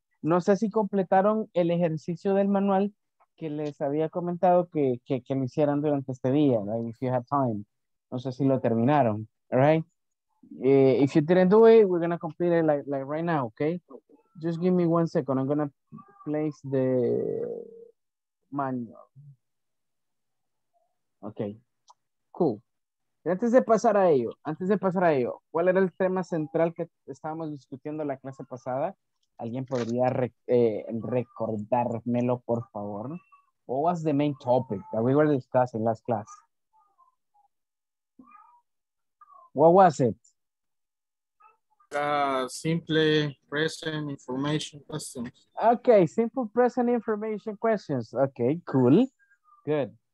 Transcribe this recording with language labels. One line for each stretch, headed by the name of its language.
Spanish: No sé si completaron el ejercicio del manual que les había comentado que lo hicieran durante este día,
English: right? If you had time.
Spanish: No sé si lo terminaron,
English: right? If you didn't do it, we're going to complete it like right now, okay? Just give me one second. I'm going to place the manual. Okay, cool.
Spanish: Antes de pasar a ello, ¿cuál era el tema central que estábamos discutiendo la clase pasada? ¿Alguien podría recordármelo, por favor?
English: What was the main topic that we were discussing last class? What was it? Simple present information questions. Okay, simple present information questions. Okay, cool. Good.